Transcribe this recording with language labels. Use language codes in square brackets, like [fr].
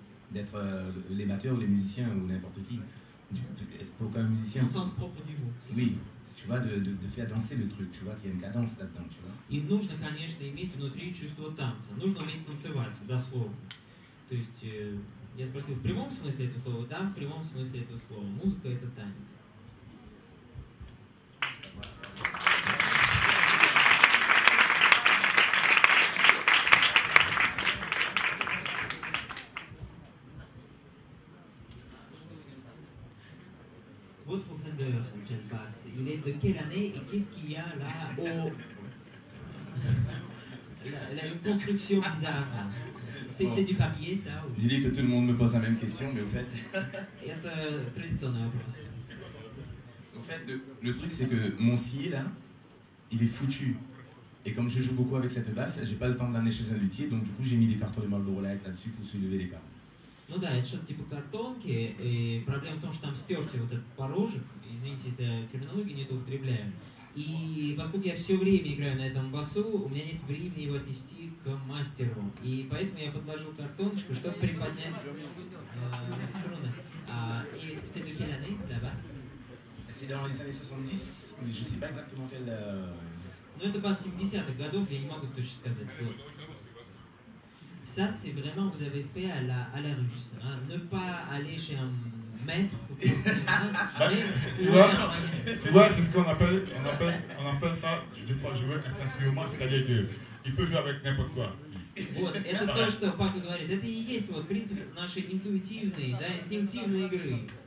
[fr] D'être les batteurs ou les musiciens ou n'importe qui. Pour qu'un musicien... Au sens propre du mot. Oui. Tu vois, de faire danser le truc, tu vois, qu'il y a une cadence là-dedans, tu vois. [ru] Il нужно, конечно, иметь внутри чувство танца. Нужно уметь танцевать, дословно. То есть, я спросил, в прямом смысле этого слова? Да, в прямом смысле этого слова. Музыка — это танец. [fr] Il est de quelle année et qu'est-ce qu'il y a là au... la construction bizarre. C'est du papier, ça ou... Je dis que tout le monde me pose la même question, mais au fait... C'est traditionnel. En fait, le truc, c'est que mon scié, là, il est foutu. Et comme je joue beaucoup avec cette basse, j'ai pas le temps de l'amener chez un luthier, donc du coup, j'ai mis des cartons de Marlboro Light là-dessus pour soulever les cartes. [ru] Ну да, это что-то типа картонки, и проблема в том, что там стерся вот этот порожек, извините, если терминологию не употребляем. И поскольку я все время играю на этом басу, у меня нет времени его отнести к мастеру. И поэтому я подложу картоночку, чтобы приподнять струны. И это в какие годы, да, бас? Это в 70-х, но я не знаю, это бас 70-х годов, я не могу точно сказать. Вот. [fr] Ça, c'est vraiment vous avez fait à la russe. Hein. Ne pas aller chez un maître. tu vois, c'est ce qu'on appelle, on appelle ça, des fois, jouer instinctivement, c'est-à-dire qu'il peut jouer avec n'importe quoi. [ru] Вот, это то, что Пака говорит. Это и есть вот принцип нашей интуитивной, да, инстинктивной игры.